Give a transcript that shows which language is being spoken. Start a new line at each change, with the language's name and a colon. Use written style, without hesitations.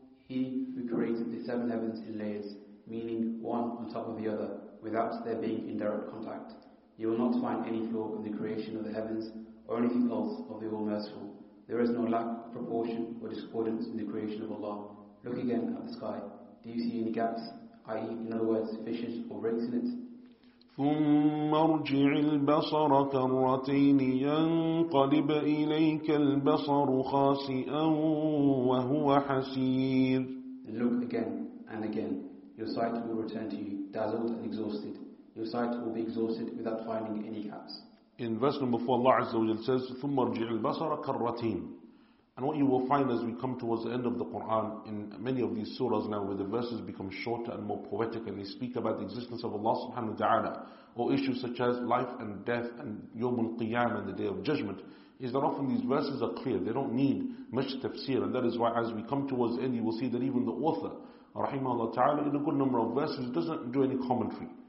English: He who created the 7 heavens in layers, meaning one on top of the other, without there being in direct contact, you will not find any flaw in the creation of the heavens or anything else of the All-Merciful. There is no lack, proportion or discordance in the creation of Allah. Look again at the sky. Do you see any gaps, i.e. in other words, fissures or breaks in it?
Arabic: ثم ارجع البصر كرتين ينقلب إليك البصر خاسئا وهو حسير.
English: And look again and again. Your sight will return to you dazzled and exhausted. Your sight will be exhausted without finding any gaps. In verse number 4, Allah Azza wa Jalla says,
Arabic: ثم ارجع البصر كرتين.
English: And what you will find as we come towards the end of the Qur'an, in many of these surahs now where the verses become shorter and more poetic and they speak about the existence of Allah subhanahu wa ta'ala, or issues such as life and death and Yawmul Qiyam and the Day of Judgment, is that often these verses are clear, they don't need much tafsir, and that is why as we come towards the end you will see that even the author, rahimahullah ta'ala, in a good number of verses doesn't do any commentary.